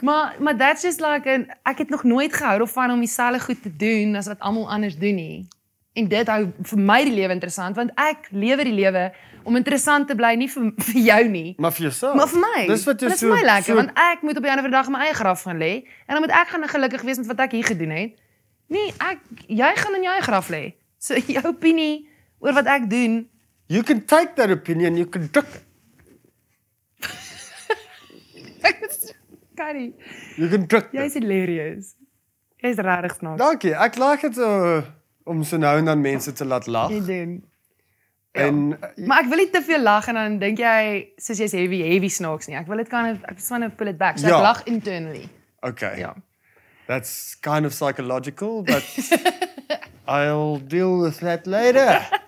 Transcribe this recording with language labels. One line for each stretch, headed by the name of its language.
Afrikaans: maar
English: that's just like,
Afrikaans: ek het nog nooit gehou van om dieselfde goed te doen as wat almal anders doen nie. En dit hou vir my die lewe interessant, want ek lewe die lewe om interessant te bly, nie vir jou nie. Maar vir jouself. Maar vir my. Dis wat jy so... Dis my lekker, want ek moet op die ander dag in my eie graf gaan lê, en dan moet ek gaan gelukkig wees met wat ek hier gedoen het. Nee, jy gaan in jou eie graf lê. So jou opinie oor wat ek doen...
English: You can take that opinion, you can duck it. Kari. You can duck
Afrikaans: it. Jy is hilarious. Jy is rarig snaaks. Dankie, ek laag het om so nou en dan mense te laat lag. Jy doen. En, maar ek wil nie te veel lag en dan dink jy, soos jy is heavy snaaks nie. Ek wil het kind of, ek swan
English: pull it back.
Afrikaans: So ja. Ek lag internally. Okay. Ja.
English: That's kind of psychological, but I'll deal with that later.